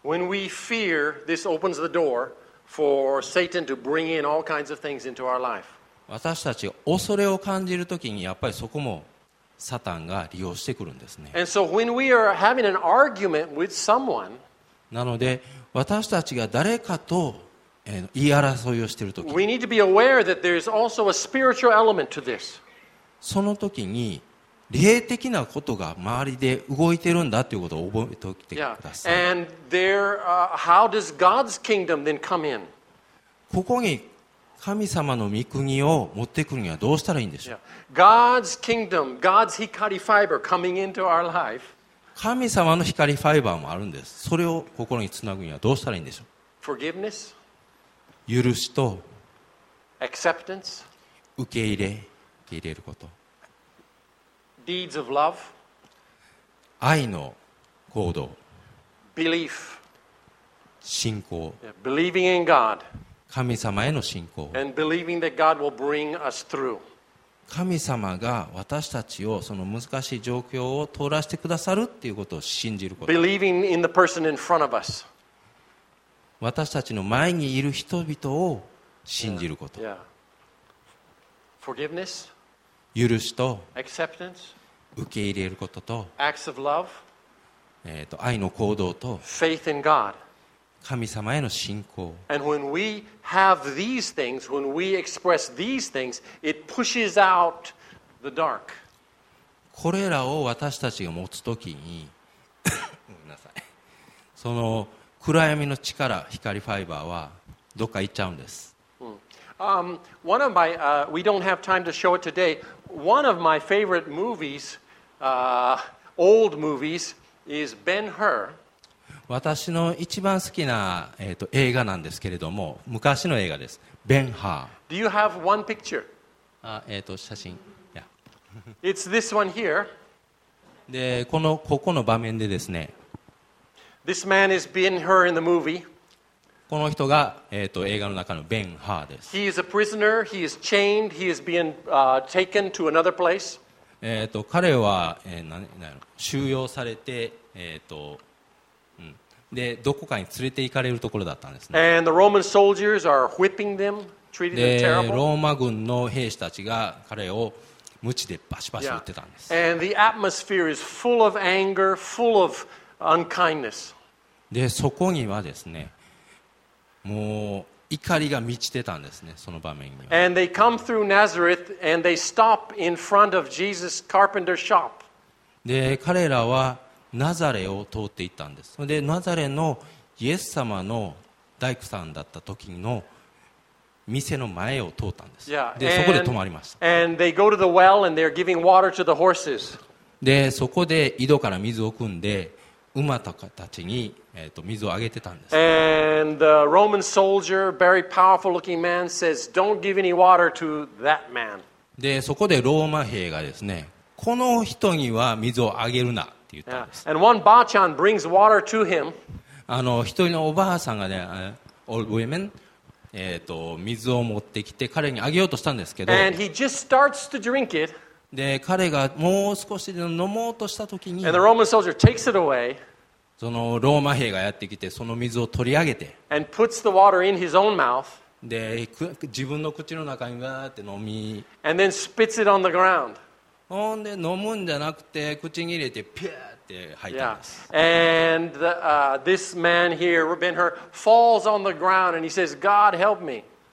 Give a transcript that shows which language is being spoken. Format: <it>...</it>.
<en>When we fear, this opens the door for Satan to bring in all kinds of things into our life.</en> <ja>私たち恐れを感じるときにやっぱりそこもサタンが利用してくるんですね。</ja> <en>And so when we are having an argument with someone,</en> <ja>なので私たちが誰かと言い争いをしているとき、</ja> <en>we need to be aware that there is also a spiritual element to this.</en> <ja>そのときに霊的なことが周りで動いてるんだということを覚えておいてください。</ja> <en>Yeah. And there, how does God's kingdom then come in?</en> <ja>ここに神様の御国を持ってくるにはどうしたらいいんでしょう。</ja> <en>Yeah. God's kingdom, God's Hikari fiber coming into our life.</en> <ja>神様の光ファイバーもあるんです。それを心につなぐにはどうしたらいいんでしょう。</ja> <en>Forgiveness.</en> <ja>許しと。</ja> <en>Acceptance.</en> <ja>受け入れ、受け入れること。</ja> <en>deeds of love.</en> <ja>愛の行動。</ja> <en>belief.</en> <ja>信仰。</ja> <en>believing in God.</en> <ja>神様への信仰。</ja> <en>and believing that God will bring us through.</en> <ja>神様が私たちをその難しい状況を通らせてくださるっていうことを信じること。</ja> <en>believing in the person in front of us.</en> <ja>私たちの前にいる人々を信じること。</ja> <en>Yeah. forgiveness.</en> <ja>許しと</ja> <en>acceptance.</en> <ja>受け入れることと、</ja> <en>acts of love,</en> <ja>愛の行動と、</ja> <en>faith in God,</en> <ja>神様への信仰。</ja> <en>And when we have these things, when we express these things, it pushes out the dark.</en> <ja>これらを私たちが持つときに、ごめんなさい。その暗闇の力、光ファイバーはどっか行っちゃうんです。</ja> <en>One of my, we don't have time to show it today. One of my favorite movies, old movies, is Ben-Hur.</en> <ja>私の一番好きな、映画なんですけれども、昔の映画です。</ja> <en>Ben-Hur. Do you have one picture?</en> <ja>写真。Yeah.</ja> <en>It's this one here.</en> <ja>で、この、ここの場面でですね。</ja> <en>This man is Ben-Hur in the movie.</en> <ja>この人が、映画の中のベン・ハーです。</ja> <en>He is a prisoner. He is chained. He is being, taken to another place.</en> <ja>彼は、何収容されて、でどこかに連れて行かれるところだったんですね。</ja> <en>And the Roman soldiers are whipping them, treating them terrible.</en> <ja>ローマ軍の兵士たちが彼を鞭でバシバシ打ってたんです。</ja> <en>Yeah. And the atmosphere is full of anger, full of unkindness.</en> <ja>でそこにはですね。もう怒りが満ちてたんですね、その場面には。</ja> <en>And they come through Nazareth and they stop in front of Jesus' carpenter shop.</en> <ja>で、彼らはナザレを通っていったんです。で、ナザレのイエス様の大工さんだった時の店の前を通ったんです。</ja> <en>Yeah.</en> <ja>で、そこで止まりました。</ja> <en>And they go to the well and they're giving water to the horses.</en> <ja>で、そこで井戸から水を汲んで、馬たちに、水をあげてたんです。</ja> <en>And the Roman soldier, very powerful looking man, says, "Don't give any water to that man."</en> <ja>で、そこでローマ兵がですね、この人には水をあげるなって言ったんです。</ja> <en>Yeah. And one bachan brings water to him.</en> <ja>一人のおばあさんがね、</ja> <en>old women,</en> <ja>水を持ってきて彼にあげようとしたんですけど。</ja> <en>And he just starts to drink it.</en> <ja>で彼がもう少しで飲もうとしたときに</ja> <en>And the Roman soldier takes it away,</en> <ja>そのローマ兵がやってきてその水を取り上げて</ja> <en>and puts the water in his own mouth,</en> <ja>で自分の口の中にガーって飲み</ja> <en>and then spits it on the ground.</en> <ja>ほんで飲むんじゃなくて口に入れてピューって吐いたんです、</ja> <en>yeah. and the, this man here, Ben-Hur, falls on the ground and he says, God help me.</en>